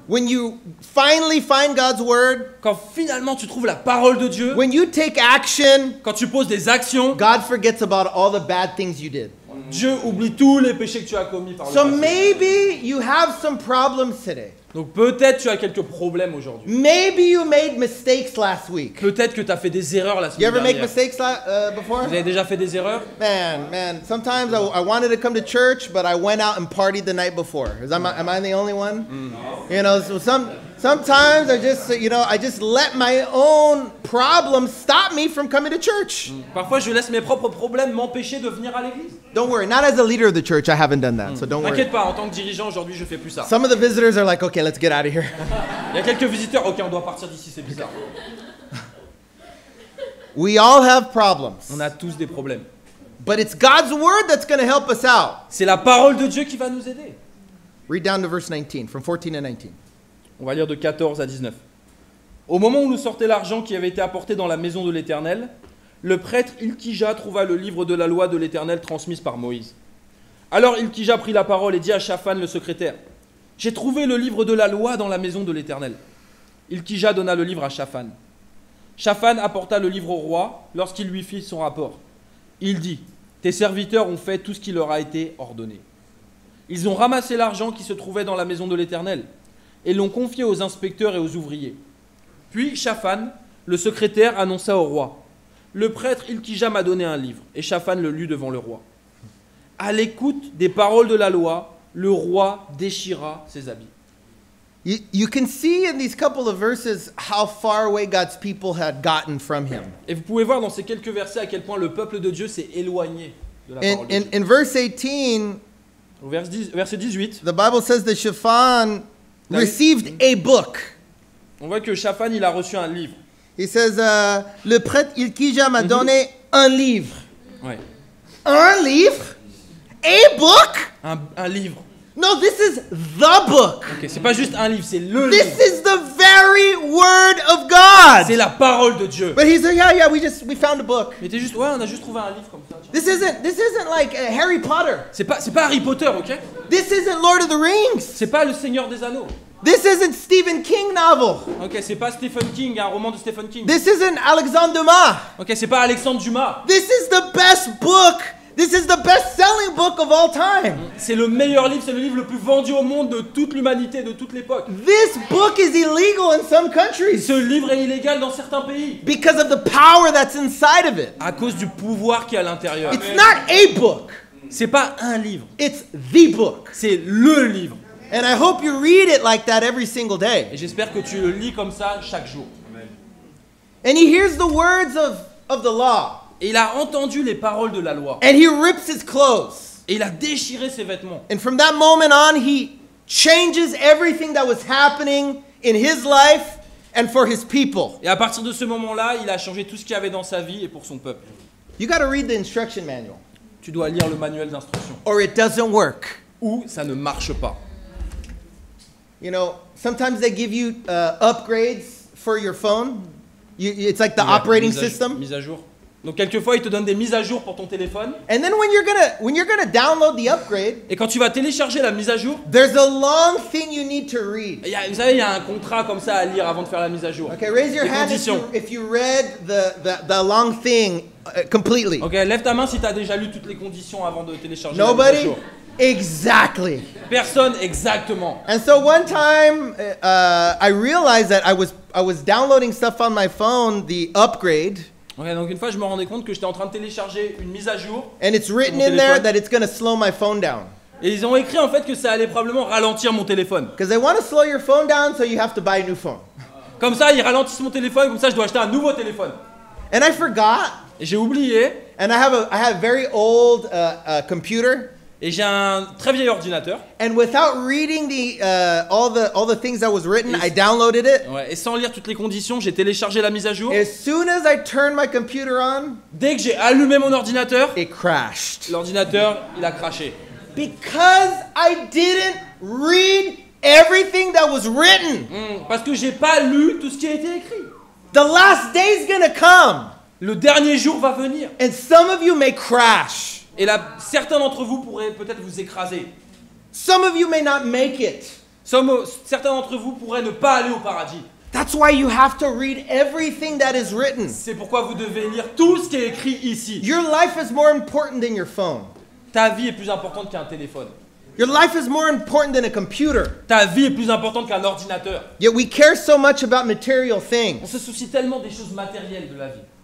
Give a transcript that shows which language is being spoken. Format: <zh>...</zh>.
<en>when you finally find God's word,</en> <fr>quand finalement tu trouves la parole de Dieu,</fr> <en>when you take action,</en> <fr>quand tu poses des actions,</fr> <en>God forgets about all the bad things you did.</en> <fr>Dieu oublie tous les péchés que tu as commis par le passé.</fr> <en>So maybe you have some problems today.</en> <fr>Donc peut-être tu as quelques problèmes aujourd'hui.</fr> <en>Maybe you made mistakes last week.</en> <fr>Peut-être que tu as fait des erreurs la semaine dernière.</fr> <en>You ever make mistakes before?</en> <fr>Vous avez déjà fait des erreurs?</fr> <en>Man, sometimes I wanted to come to church but I went out and partied the night before. Am I the only one? No. You know, so sometimes I just let my own problems stop me from coming to church.</en> <fr>Parfois je laisse mes propres problèmes m'empêcher de venir à l'église.</fr> <en>Don't worry, not as a leader of the church, I haven't done that. So don't worry.</en> <fr>T'inquiète pas, en tant que dirigeant aujourd'hui, je fais plus ça.</fr> <en>Some of the visitors are like, "Okay, let's get out of here."</en> <fr>Il y a quelques visiteurs, "OK, on doit partir d'ici, c'est bizarre."</fr> <en>We all have problems.</en> <fr>On a tous des problèmes.</fr> <en>But it's God's word that's going to help us out.</en> <fr>C'est la parole de Dieu qui va nous aider.</fr> <en>Read down to verse 19, from 14 to 19.</en> <fr>On va lire de 14 à 19. Au moment où nous sortait l'argent qui avait été apporté dans la maison de l'Éternel, le prêtre Hilkija trouva le livre de la loi de l'Éternel transmise par Moïse. Alors Hilkija prit la parole et dit à Shaphan, le secrétaire, « J'ai trouvé le livre de la loi dans la maison de l'Éternel. » Hilkija donna le livre à Shaphan. Shaphan apporta le livre au roi lorsqu'il lui fit son rapport. Il dit, « Tes serviteurs ont fait tout ce qui leur a été ordonné. » Ils ont ramassé l'argent qui se trouvait dans la maison de l'Éternel et l'ont confié aux inspecteurs et aux ouvriers. Puis Shaphan, le secrétaire, annonça au roi. Le prêtre Ilkija m'a donné un livre et Shaphan le lut devant le roi. À l'écoute des paroles de la loi, le roi déchira ses habits.</fr> <en>You can see in these couple of verses how far away God's people had gotten from him.</en> <fr>Et vous pouvez voir dans ces quelques versets à quel point le peuple de Dieu s'est éloigné de la parole de Dieu.</fr> <en>In verse 18,</en> <fr>verset 18,</fr> <en>the Bible says that Shaphan received a book.</en> <fr>On voit que Shaphan, il a reçu un livre.</fr> <en>He says,</en> <fr>le prêtre Ilkija m'a donné un livre. Ouais. Un livre?</fr> <en>A book?</en> <fr>Un livre.</fr> <en>No, this is the book.</en> <fr>Okay, c'est pas juste un livre, c'est le</fr> <en>this</en> <fr>livre.</fr> <en>Is the very word of God.</en> <fr>C'est la parole de Dieu.</fr> <en>But he said, yeah, we found a book.</en> <fr>Mais t'es juste, ouais, on a juste trouvé un livre comme ça.</fr> <en>This isn't like Harry Potter.</en> <fr>C'est pas Harry Potter, okay?</fr> <en>This isn't Lord of the Rings.</en> <fr>C'est pas le Seigneur des Anneaux.</fr> <en>This isn't Stephen King novel.</en> <fr>Okay, c'est pas Stephen King, un roman de Stephen King.</fr> <en>This isn't Alexandre Dumas.</en> <fr>Okay, c'est pas Alexandre Dumas.</fr> <en>This is the best book. This is the best-selling book of all time.</en> <fr>C'est le meilleur livre, c'est le livre le plus vendu au monde de toute l'humanité, de toute l'époque.</fr> <en>This book is illegal in some countries.</en> <fr>Ce livre est illégal dans certains pays.</fr> <en>Because of the power that's inside of it.</en> <fr>À cause du pouvoir qui est à l'intérieur.</fr> <en>It's not a book.</en> <fr>C'est pas un livre.</fr> <en>It's the book.</en> <fr>C'est le livre.</fr> <en>And I hope you read it like that every single day.</en> <fr>Et j'espère que tu le lis comme ça chaque jour.</fr> <en>And he hears the words of the law.</en> <fr>Et il a entendu les paroles de la loi.</fr> <en>And he rips his clothes.</en> <fr>Et il a déchiré ses vêtements.</fr> <en>And from that moment on, he changes everything that was happening in his life and for his people.</en> <fr>Et à partir de ce moment-là, il a changé tout ce qu'il y avait dans sa vie et pour son peuple.</fr> <en>You got to read the instruction manual.</en> <fr>Tu dois lire le manuel d'instruction.</fr> <en>Or it doesn't work.</en> <fr>Ou ça ne marche pas.</fr> <en>You know, sometimes they give you upgrades for your phone. It's like the operating system.</en> <fr>Mise à jour. Donc quelquefois ils te donnent des mises à jour pour ton téléphone.</fr> <en>And then when you're gonna download the upgrade.</en> <fr>Et quand tu vas télécharger la mise à jour.</fr> <en>There's a long thing you need to read.</en> <fr>Vous savez, il y a un contrat comme ça à lire avant de faire la mise à jour.</fr> <en>Okay, raise your</en> <fr>les</fr> <en>hand</en> <fr>conditions.</fr> <en>If you read the long thing completely.</en> <fr>Okay, lève ta main si tu as déjà lu toutes les conditions avant de télécharger.</fr> <en>Nobody?</en> <fr>La mise à jour.</fr> <en>Exactly.</en> <fr>Personne exactement.</fr> <en>And so one time I realized that I was downloading stuff on my phone, the upgrade.</en> <fr>Okay, donc une fois, je me rendais compte que j'étais en train de télécharger une mise à jour.</fr> <en>And it's written in there that it's going to slow my phone down.</en> <fr>Et ils ont écrit en fait que ça allait probablement ralentir mon téléphone.</fr> <en>Because they want to slow your phone down, so you have to buy a new phone.</en> <fr>Comme ça, ils ralentissent mon téléphone, comme ça, je dois acheter un nouveau téléphone.</fr> <en>And I forgot.</en> <fr>Et j'ai oublié.</fr> <en>And I have a very old computer.</en> <fr>Et j'ai un très vieil ordinateur.</fr> <en>And without reading the all the things that was written, I downloaded it.</en> <fr>Ouais, et sans lire toutes les conditions, j'ai téléchargé la mise à jour.</fr> <en>As soon as I turned my computer on,</en> <fr>dès que j'ai allumé mon ordinateur,</fr> <en>it crashed.</en> <fr>L'ordinateur, il a crashé.</fr> <en>Because I didn't read everything that was written.</en> <fr>Parce que j'ai pas lu tout ce qui a été écrit.</fr> <en>The last day is gonna come.</en> <fr>Le dernier jour va venir.</fr> <en>And some of you may crash.</en> <fr>Et là, certains d'entre vous pourraient peut-être vous écraser.</fr> <en>Some of you may not make it.</en> <fr>Certains d'entre vous pourraient ne pas aller au paradis.</fr> <en>That's why you have to read everything that is written.</en> <fr>C'est pourquoi vous devez lire tout ce qui est écrit ici.</fr> <en>Your life is more important than your phone.</en> <fr>Ta vie est plus importante qu'un téléphone.</fr> <en>Your life is more important than a computer.</en> <fr>Ta vie est plus importante qu'un ordinateur.</fr> <en>Yet we care so much about material things.</en> <fr>On se soucie tellement des choses matérielles de la vie.</fr>